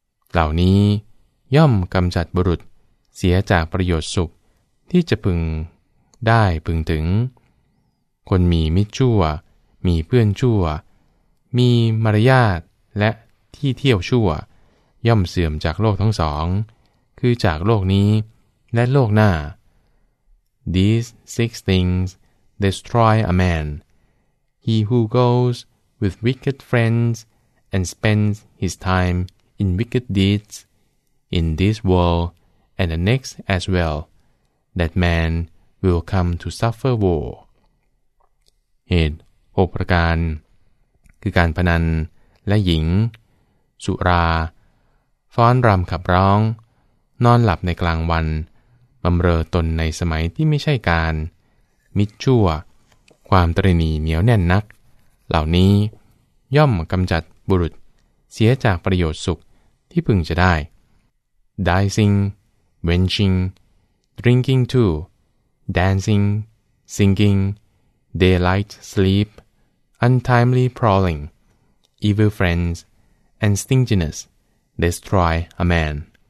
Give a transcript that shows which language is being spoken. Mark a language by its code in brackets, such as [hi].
[th] เหล่านี้ย่อมกำจัดบุรุษเสียจากประโยชน์สุขที่จะพึงได้พึงถึงคนมีมิตรชั่วมีเพื่อนชั่วมีมารยาทและที่เที่ยวชั่วย่อมเสื่อมจากโลกทั้งสองคือจากโลกนี้และโลกหน้า [en] These six things destroy a man. He who goes with wicked friends and spends his time in wicked deeds in this worldand the next as well, that man will come to suffer woe. [th] เหตุ6ประการคือการพนันและหญิงสุราฟ้อนรำขับร้องนอนหลับในกลางวันบำเรอตนในสมัยที่ไม่ใช่การมิตรชั่ว ความตระหนี่เหนียวแน่นนักเหล่านี้ย่อมกำจัดบุรุษเสียจากประโยชน์สุขที่พึงจะได้ [en] DicingWenching, drinking too, dancing, singing, daylight sleep, untimely prowling, evil friends, and stinginess destroy a man.